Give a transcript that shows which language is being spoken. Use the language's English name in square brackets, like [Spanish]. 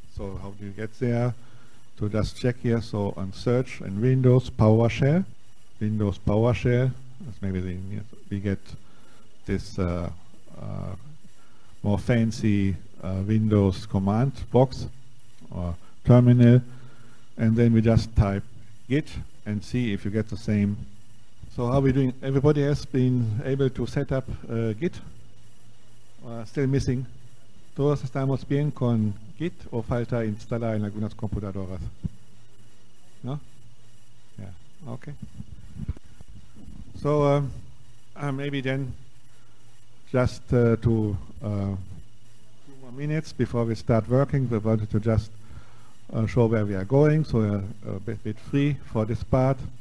[English] So how do you get there? To just check here, so on search in Windows PowerShell, that's maybe the, we get this more fancy Windows command box or terminal, and then we just type Git and see if you get the same. So how are we doing? Everybody has been able to set up Git? Still missing? [Spanish] Todos estamos bien con Git o falta instalar en algunas computadoras? [English] No? Yeah, okay. So maybe then just to 2 more minutes before we start working, we wanted to just show where we are going, so we are a bit free for this part.